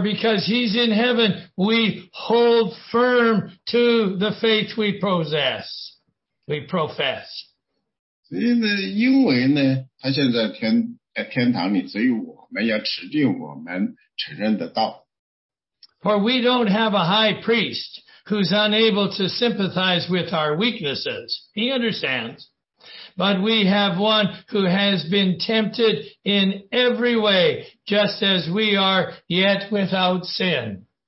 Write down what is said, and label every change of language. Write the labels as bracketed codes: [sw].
[en] because he's in heaven, we hold firm to the faith we possess, we profess. [zh] 所以呢,因为呢,他现在天堂里,所以我们要持定我们承认的道。 [en] For we don't have a high priest who's unable to sympathize with our weaknesses. He understands. But we have one who has been tempted in every way, just as we are, yet without sin.